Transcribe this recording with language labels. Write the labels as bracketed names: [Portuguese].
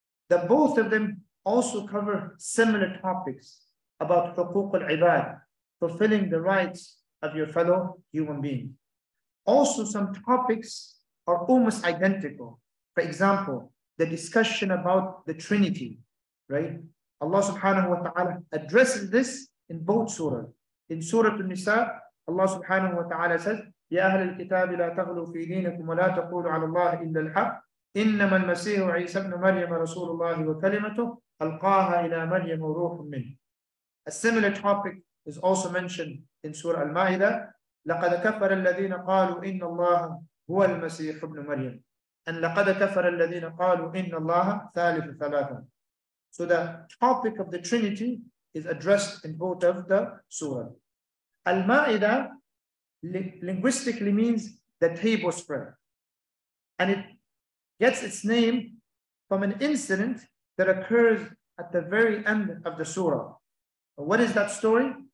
[English] The both of them also cover similar topics about huquq al-ibad, fulfilling the rights of your fellow human being. Also, some topics are almost identical. For example, the discussion about the Trinity, right? Allah subhanahu wa ta'ala addresses this in both surahs. In Surah An-Nisa, Allah subhanahu wa ta'ala says, [Arabic] يا أهل الكتاب لا تغلوا في دينكم ولا تقولوا على الله إلا الحق إنما المسيح عيسى ابن مريم رسول الله وكلمته ألقاها إلى مريم وروح منه. [English] A similar topic is also mentioned in Surah Al-Ma'idah. [Arabic] لقد كفر الذين قالوا إن الله هو المسيح ابن مريم and لقد كفر الذين قالوا إن الله ثالث ثلاثة. [English] So the topic of the Trinity is addressed in both of the surah. Al-Ma'idah linguistically means the table spread. And it gets its name from an incident that occurs at the very end of the surah. What is that story?